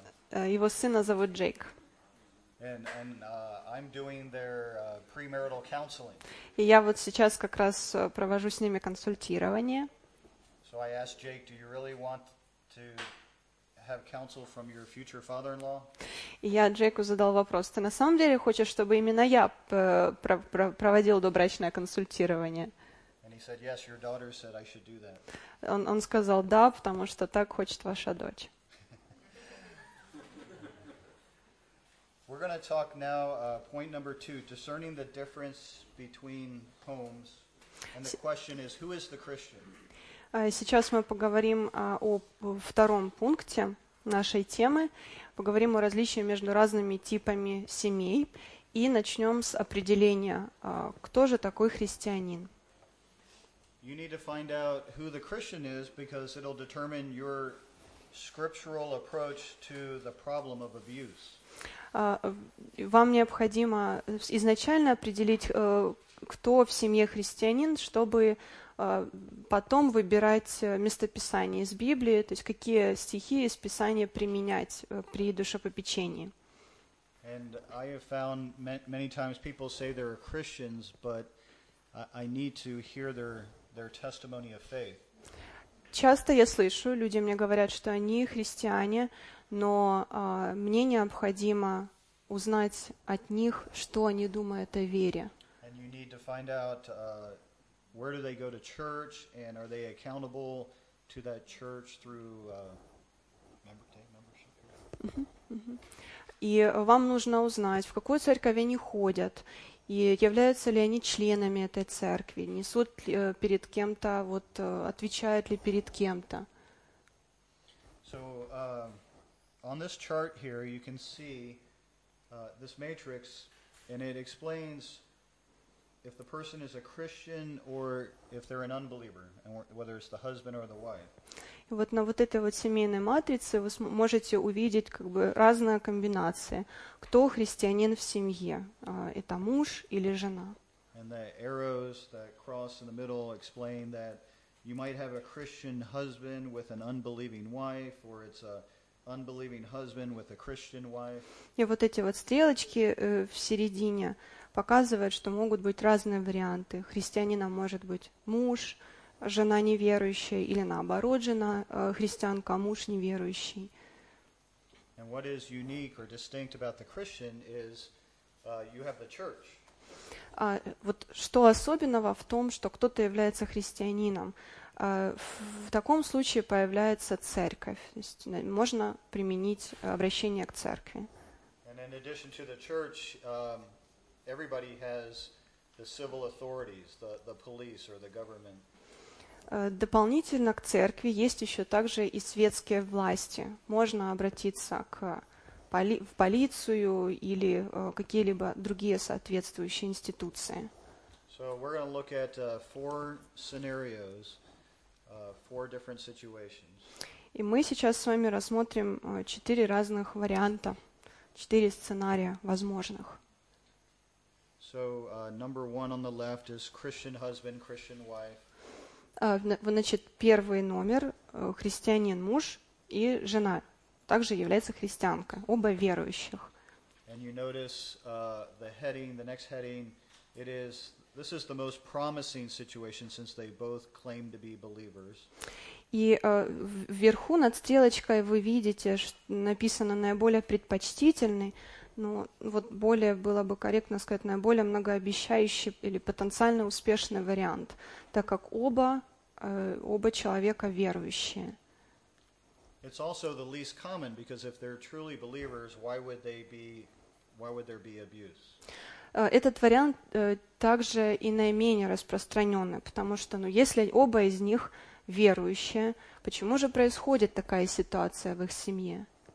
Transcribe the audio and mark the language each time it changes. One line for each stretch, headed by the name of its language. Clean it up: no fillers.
Russian: Его сына зовут Джейк. И я вот сейчас как раз провожу с ними консультирование.
English: So I asked Jake, do you really want to have counsel from your future father-in-law?
Russian: Я Джейку задал вопрос: ты на самом деле хочешь, чтобы именно я проводил добрачное консультирование?
English: And he said, yes, your daughter said I should do that.
Russian: Он сказал: да, потому что так хочет ваша дочь.
English: We're going to talk now point number two, discerning the difference between homes, and the question is, who is the Christian?
Russian: Сейчас мы поговорим о втором пункте нашей темы, поговорим о различии между разными типами семей и начнем с определения, кто же такой христианин.
English: You need to find out who the Christian is because it'll determine your scriptural approach to the problem of abuse.
Russian: Вам необходимо изначально определить, кто в семье христианин, чтобы потом выбирать местописание из Библии, то есть какие стихи из Писания применять при душепопечении.
English: And I have found many times people say they're Christians, but I need to hear their testimony of faith.
Russian: Часто я слышу, люди мне говорят, что они христиане, но мне необходимо узнать от них, что они думают о вере.
English: And you need to find out, where do they go to church, and are they accountable to that church through membership?
Russian: И вам нужно узнать, в какую церковь они ходят, и являются ли они членами этой церкви, несут ли перед кем-то, вот отвечают ли перед кем-то.
English: So, on this chart here, you can see this matrix, and it explains if the person is a Christian or if they're an unbeliever, and whether it's the husband or the wife.
Russian: И вот на вот этой вот семейной матрице вы можете увидеть как бы разные комбинации. Кто христианин в семье? Это муж или жена?
English: And the arrows that cross in the middle explain that you might have a Christian husband with an unbelieving wife, or it's a unbelieving husband with a Christian wife.
Russian: И вот эти вот стрелочки в середине показывает, что могут быть разные варианты. Христианином может быть муж, жена неверующая, или наоборот, жена христианка, а муж неверующий.
English: And what is unique or distinct about the Christian is you have the church.
Russian: Вот что особенного в том, что кто-то является христианином? В таком случае появляется церковь. То есть можно применить обращение к церкви.
English: And in addition to the church, everybody has the civil authorities, the police or the government.
Russian: Дополнительно к церкви есть еще также и светские власти. Можно обратиться к в полицию или какие-либо другие соответствующие институции.
English: So we're going to look at four scenarios, four different situations.
Russian: И мы сейчас с вами рассмотрим четыре разных варианта, четыре сценария возможных.
English: So, number one on the left is Christian husband, Christian wife.
Russian: Значит, первый номер – христианин муж и жена. Также является христианка, оба верующих.
English: And you notice the heading, the next heading, it is, this is the most promising situation since they both claim to be believers.
Russian: И вверху над стрелочкой вы видите, что написано «наиболее предпочтительный». Ну, вот более было бы корректно сказать, наиболее многообещающий или потенциально успешный вариант, так как оба человека верующие.
English: It's also the least common, because if they're truly believers, why would there be abuse?
Russian: этот вариант также и наименее распространенный, потому что, ну, если оба из них верующие, почему же происходит такая ситуация в их семье?